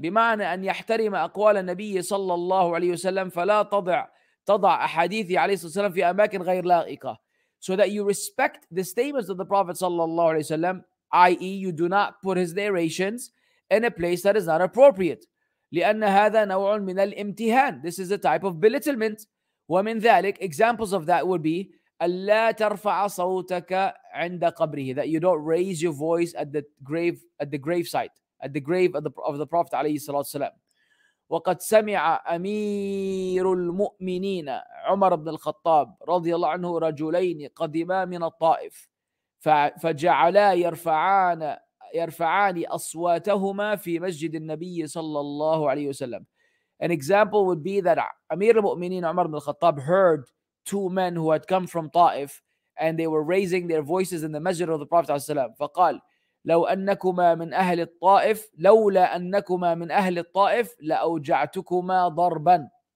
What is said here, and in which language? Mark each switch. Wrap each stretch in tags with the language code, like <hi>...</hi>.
<ar>بمعنى أن يحترم أقوال النبي صلى الله عليه وسلم فلا تضع أحاديثي عليه الصلاة والسلام في أماكن غير لائقة.</ar> <en>So that you respect the statements of the Prophet صلى الله عليه وسلم, i.e. you do not put his narrations in a place that is not appropriate.</en> <ar>لأن هذا نوع من الامتهان.</ar> <en>This is a type of belittlement.</en> <ar>ومن ذلك,</ar> <en>examples of that would be</en> <ar>ألا ترفع صوتك عند قبره,</ar> <en>that you don't raise your voice at the grave, at the grave site, at the grave of the Prophet عليه الصلاة والسلام.</en> <ar>وقد سمع أمير المؤمنين عمر بن الخطاب رضي الله عنه رجلين قدما من الطائف فجعلا يرفعان أصواتهما في مسجد النبي صلى الله عليه وسلم.</ar> <en>An example would be that أمير المؤمنين عمر بن الخطاب heard two men who had come from Taif and they were raising their voices in the masjid of the Prophet ﷺ.</en> <ar>فقال لو أنكما من أهل الطائف لولا أنكما من أهل الطائف لأوجعتكما ضربا.</ar>